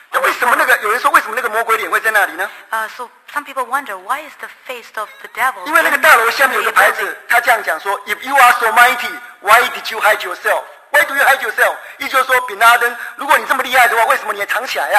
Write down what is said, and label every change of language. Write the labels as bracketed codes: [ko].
[zh] 那为什么那个有人说为什么那个魔鬼脸会在那里呢？ [en] So some people wonder why is the face of the devil? [zh] 因为那个大楼下面有个牌子，他这样讲说 ： [en] If you are so mighty, why did you hide yourself? [zh] Why do you hide yourself? 意思就是说，比拉登，如果你这么厉害的话，为什么你还藏起来呀、